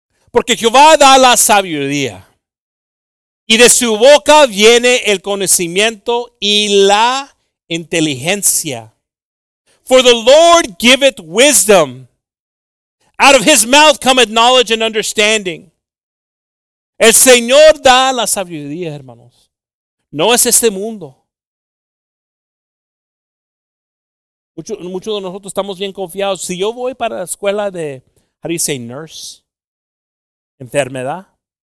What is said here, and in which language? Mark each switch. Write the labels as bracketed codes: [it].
[es] Porque Jehová da la sabiduría, y de su boca viene el conocimiento y la inteligencia. [en] For the Lord giveth wisdom. Out of his mouth cometh knowledge and understanding. [es] El Señor da la sabiduría, hermanos. No es este mundo. Muchos de nosotros estamos bien confiados. Si yo voy para la escuela de, [en] how do you say, nurse? [es] Enfermera.